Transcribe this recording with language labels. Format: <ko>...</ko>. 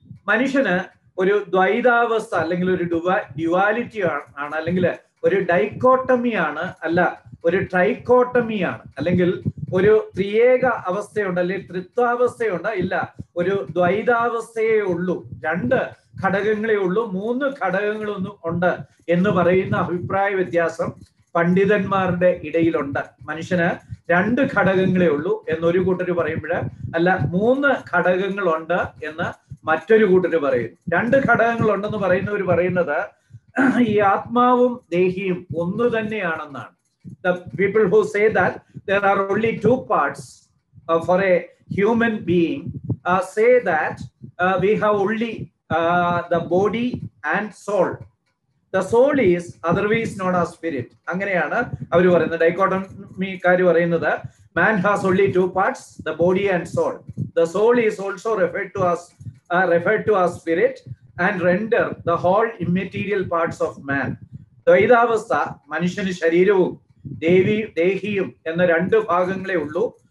<ml>മനുഷ്യന് ഒരു ദ്വൈതാവസ്ഥ, അല്ലെങ്കിൽ ഒരു ഡ്യുവാലിറ്റി ആണ്, അല്ലെങ്കിൽ ഒരു ഡൈക്കോട്ടമിയാണ്, അല്ല ഒരു ട്രൈക്കോട്ടമിയാണ്, അല്ലെങ്കിൽ ഒരു ത്രിയേക അവസ്ഥയുണ്ട്, അല്ലെങ്കിൽ ത്രിത്വാവസ്ഥയുണ്ട്, ഇല്ല ഒരു ദ്വൈതാവസ്ഥയെ ഉള്ളൂ, രണ്ട് ഘടകങ്ങളേ ഉള്ളൂ, മൂന്ന് ഘടകങ്ങളൊന്നും ഉണ്ട് എന്ന് പറയുന്ന അഭിപ്രായ വ്യത്യാസം പണ്ഡിതന്മാരുടെ ഇടയിലുണ്ട്. മനുഷ്യന് രണ്ട് ഘടകങ്ങളേ ഉള്ളൂ എന്നൊരു കൂട്ടർ പറയുമ്പോൾ, അല്ല മൂന്ന് ഘടകങ്ങളുണ്ട് എന്ന് മറ്റൊരു കൂട്ടർ പറയും. രണ്ട് ഘടകങ്ങളുണ്ടെന്ന് പറയുന്നവർ പറയുന്നത് ഈ ആത്മാവും ദേഹിയും ഒന്നു തന്നെയാണെന്നാണ്.</ml> <en>The people who say that there are only two parts for a human being say that we have only the body and soul. The soul is otherwise known as spirit.</en> <ml>അങ്ങനെയാണ് അവർ പറയുന്നത്, ഡൈക്കോട്ടമിക്കാരി പറയുന്നത്,</ml> <en>Man has only two parts, the body and soul. The soul is also referred to as spirit and render the whole immaterial parts of man.</en> <ml>ദ്വൈതാവസ്ഥ, മനുഷ്യന് ശരീരവും ദേഹിയും എന്ന രണ്ട് ഭാഗങ്ങളെ ഉള്ളൂ.</ml>